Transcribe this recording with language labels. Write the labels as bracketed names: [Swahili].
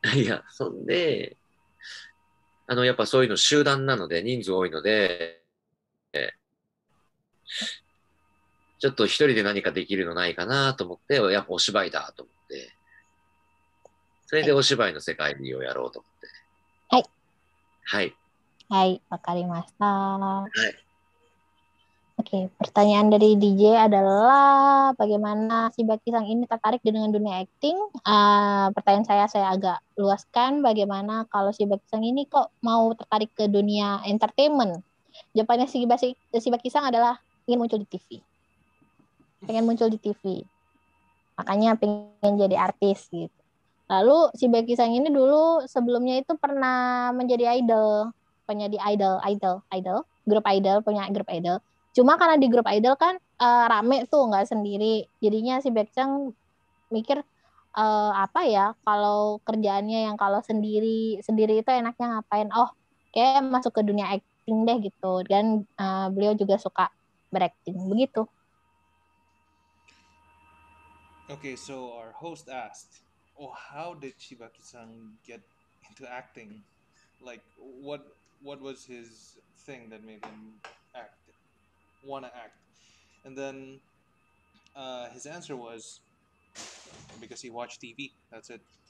[Japanese] いや、そんであのやっぱそういうの集団なので人数多いので、ちょっと一人で何かできるのないかなと思って、やっぱお芝居だと思って、それでお芝居の世界をやろうと思って。はい。はい。はい、わかりました。はい。 [Indonesian] Oke, pertanyaan dari DJ adalah bagaimana Shibaki sang ini tertarik dengan dunia acting? Pertanyaan saya agak luaskan, bagaimana kalau Shibaki sang ini kok mau tertarik ke dunia entertainment? Jawabannya Shibaki sang adalah ingin muncul di TV. Pengen muncul di TV, makanya pengen jadi artis gitu. Lalu Shibaki sang ini dulu sebelumnya itu pernah menjadi idol, penyanyi idol, grup idol, punya grup idol. Cuma karena di grup idol kan rame tuh, nggak sendiri. Jadinya Shibaki sang mikir apa ya, kalau kerjaannya yang kalau sendiri itu enaknya ngapain? Oh, kayak masuk ke dunia acting deh gitu. Dan beliau juga suka beracting begitu. [English] Okay, so our host asked, "Oh, how did Shibaki-san get into acting? Like, what was his thing that made him want to act?" And then, his answer was, "Because he watched TV. That's it.